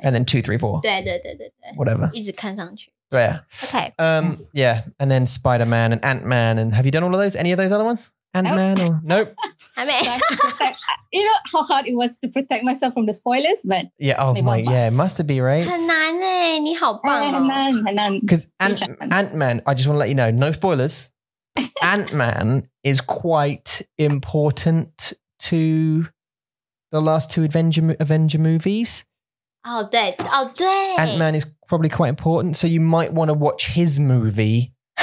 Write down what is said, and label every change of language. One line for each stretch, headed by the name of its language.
English: And then 2, 3, 4.
Chinese: 对对对对对.
English: Whatever.
Chinese: 一直看上去.
English: Yeah. Okay. Yeah. And then Spider-Man and Ant-Man. And have you done all of those? Any of those other ones? Ant-Man or nope. I mean, you know how hard it was to protect myself from the spoilers, but yeah, oh my, yeah, it must have been, right?
Chinese: 很难耶，你好棒哦。很难，很难。
English: Because Ant-Man, I just want to let you know, no spoilers. Ant-Man is quite important to the last two Avenger movies.
Chinese: Oh, 对。
English: Ant-Man is probably quite important, so you might want to watch his movie.